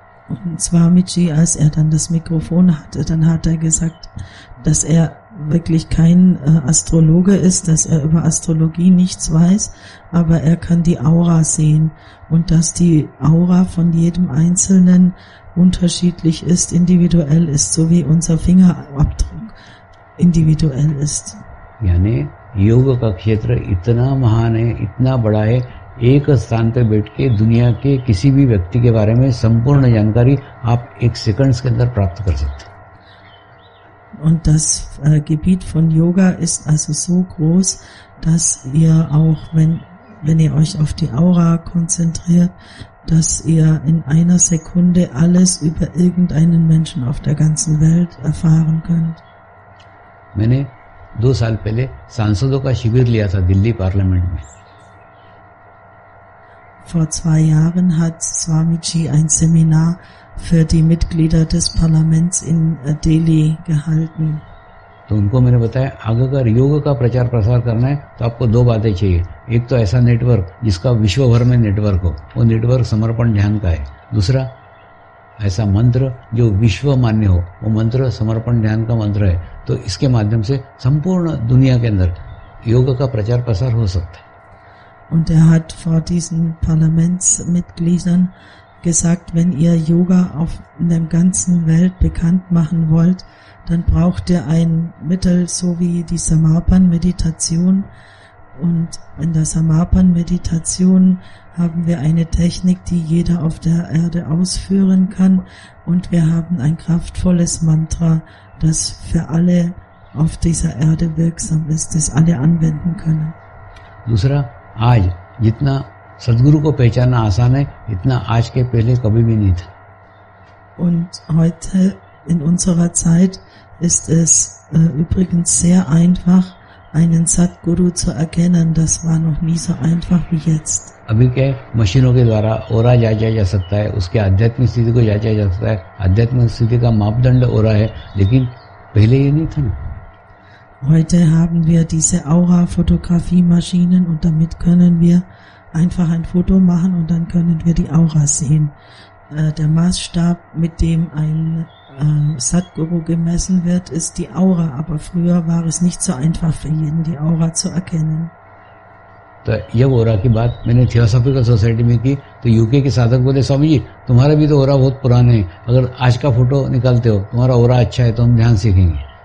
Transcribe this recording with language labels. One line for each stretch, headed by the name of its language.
German: Und Swamiji, als er dann das Mikrofon hatte, dann hat er gesagt, dass er wirklich kein Astrologe ist, dass er über Astrologie nichts weiß, aber er kann die Aura sehen und dass die Aura von jedem Einzelnen unterschiedlich ist, individuell ist, so wie unser Fingerabdruck individuell ist.
Hindi: Yani, Yoga ka kshetra itna mahan hai, itna bada hai. एक स्थान पर बैठ के दुनिया के किसी भी व्यक्ति के बारे में संपूर्ण जानकारी आप एक सेकंड्स के अंदर प्राप्त कर सकते हैं।
German: Und das Gebiet von Yoga ist also so groß, dass ihr auch wenn ihr euch auf die Aura konzentriert, dass ihr in einer Sekunde alles über irgendeinen Menschen auf der ganzen Welt erfahren könnt.
Hindi: मैंने 2 साल पहले सांसदों का शिविर लिया था Delhi parliament में।
German: Vor 2 Jahren hat Swamiji ein Seminar für die Mitglieder des Parlaments in Delhi gehalten.
Hindi: तो उनको मैंने बताया, अगर योग का प्रचार प्रसार करना है, तो आपको 2 बातें चाहिए। एक तो ऐसा नेटवर्क जिसका विश्व भर में नेटवर्क हो, वो नेटवर्क समर्पण ध्यान का है। दूसरा, ऐसा मंत्र जो विश्व मान्य हो, वो मंत्र समर्पण ध्यान का मंत्र है। तो इसके माध्यम से संपूर्ण दुनिया के अंदर योग का प्रचार प्रसार हो सकता है।
German: Und er hat vor diesen Parlamentsmitgliedern gesagt, wenn ihr Yoga auf der ganzen Welt bekannt machen wollt, dann braucht ihr ein Mittel, so wie die Samarpan-Meditation. Und in der Samarpan-Meditation haben wir eine Technik, die jeder auf der Erde ausführen kann. Und wir haben ein kraftvolles Mantra, das für alle auf dieser Erde wirksam ist, das alle anwenden können.
Hindi: Dusra. आज जितना सदगुरु को पहचानना आसान है इतना आज के पहले कभी भी नहीं था
German: Und heute in unserer Zeit ist es übrigens sehr einfach einen Satguru zu erkennen das war noch nie so einfach wie jetzt
Hindi: अभी क्या मशीनों के द्वारा ओरा जांचा जा सकता है उसके आध्यात्मिक स्थिति को जांचा जा सकता है आध्यात्मिक स्थिति का मापदंड ओरा है लेकिन पहले ये नहीं था ना
German: Heute haben wir diese Aura-Fotografie-Maschinen und damit können wir einfach ein Foto machen und dann können wir die Aura sehen. der Maßstab, mit dem ein Sadhguru gemessen wird, ist die Aura. Aber früher war es nicht so einfach für jeden, die Aura zu erkennen.
Hindi: तो ये ओरा की बात मैंने theosophical society में की तो UK के साधक बोले स्वामी जी तुम्हारे भी तो ओरा बहुत पुराने हैं अगर आज का फोटो निकालते हो तुम्हारा ओरा अच्छा है तो हम ध्यान सीखेंगे